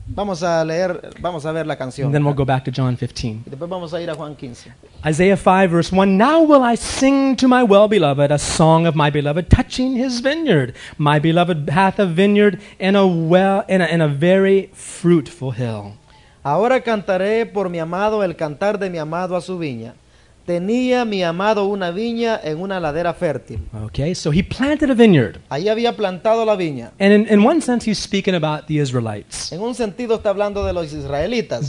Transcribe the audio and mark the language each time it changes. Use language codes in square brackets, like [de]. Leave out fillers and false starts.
[es] Vamos a ver la canción. [en] And then we'll go back to John 15. [es] Y después vamos a ir a Juan 15. [en] Isaiah 5 verse 1. Now will I sing to my well-beloved a song of my beloved touching his vineyard. My beloved hath a vineyard and a very fruitful hill. [es] Ahora cantaré por mi amado el cantar de mi amado a su viña. Tenía mi amado una viña en una ladera fértil. [en] Okay, so he planted a vineyard. [es] Ahí había plantado la viña. [en] And in one sense he's speaking about the Israelites. [es] En un sentido está hablando de los israelitas.